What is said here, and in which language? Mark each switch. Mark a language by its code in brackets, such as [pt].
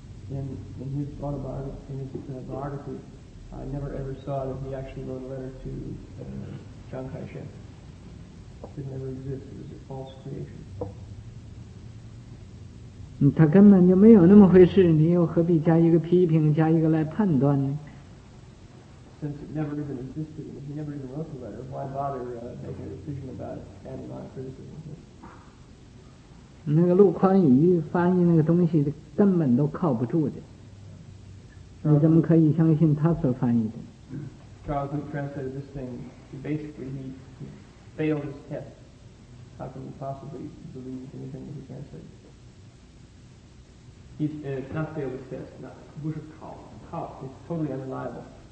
[en] In his biography, I never ever saw that he actually wrote a letter to Chiang Kai-shek. It didn't ever exist. It was a false creation. [zh] 他根本就没有那么回事，你又何必加一个批评，加一个来判断呢？ [en] Since it never even existed, and he never even wrote the letter, why bother making a decision about it, adding on criticism? [zh] 那个陆宽宇翻译那个东西根本都靠不住的，你怎么可以相信他所翻译的？ [en] Charles Luke translated this thing, basically he failed his test. How can he possibly believe anything that he translated? He's not failed his test, not, [zh] 不是考, 考, [en] he's totally unreliable.